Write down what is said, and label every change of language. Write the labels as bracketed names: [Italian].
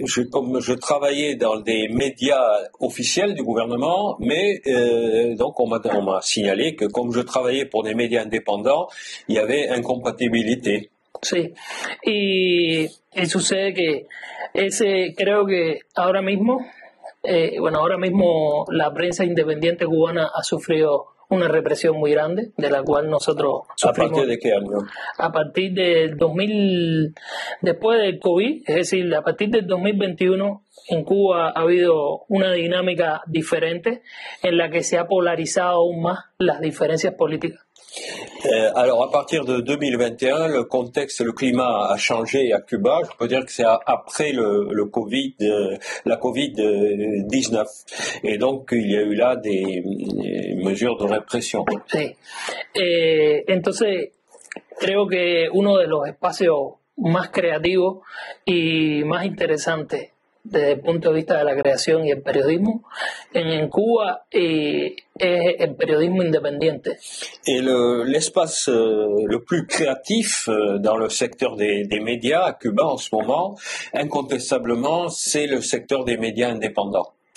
[French] Comme je travaillais dans des médias officiels du gouvernement, mais donc on m'a signalé que comme je travaillais pour des médias indépendants, il y avait incompatibilité. [Spanish] Sí, y sucede que ese creo que ahora mismo, bueno, ahora mismo la prensa independiente cubana ha sufrido una represión muy grande, de la cual nosotros sufrimos. ¿A partir de qué año? A partir del 2000, después del COVID, es decir, a partir del 2021, en Cuba ha habido una dinámica diferente en la que se ha polarizado aún más las diferencias políticas. [French] Alors, à partir de 2021, le contexte, le climat a changé à Cuba. Je peux dire que c'est après le Covid, la Covid-19. Et donc, il y a eu là des mesures de répression. [Spanish] Sí. Entonces, creo que uno de los espacios más creativos y más interesantes desde el punto de vista de la creación y el periodismo en Cuba es el periodismo independiente. [French] Et l'espace le plus créatif dans le secteur des médias à Cuba en ce moment, incontestablement, c'est le secteur des médias indépendants.